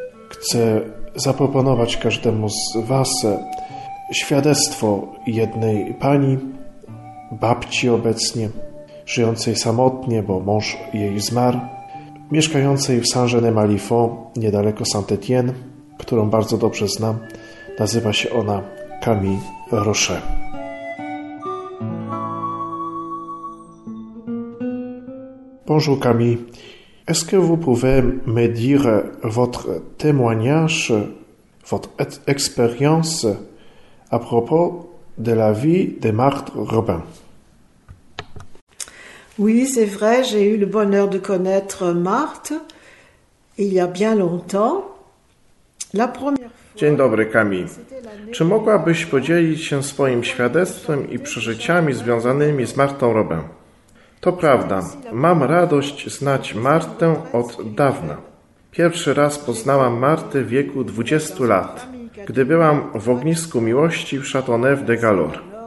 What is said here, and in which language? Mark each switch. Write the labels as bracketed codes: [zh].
[pl] Chcę zaproponować każdemu z Was świadectwo jednej pani, babci obecnie, żyjącej samotnie, bo mąż jej zmarł, mieszkającej w Saint-Germain-Malifaux, niedaleko Saint-Étienne, którą bardzo dobrze znam. Nazywa się ona Camille Rocher. [fr] Bonjour Camille, est-ce que vous pouvez me dire votre témoignage, votre expérience à propos de la vie de Marthe Robin? Oui, c'est vrai, j'ai eu le bonheur de connaître Marthe il y a bien longtemps. La première fois... [pl] Dzień dobry Camille. Czy mogłabyś podzielić się swoim świadectwem i przeżyciami związanymi z Martą Robin? To prawda, mam radość znać Martę od dawna. Pierwszy raz poznałam Martę w wieku 20 lat, gdy byłam w ognisku miłości w Château Neuf de Galore.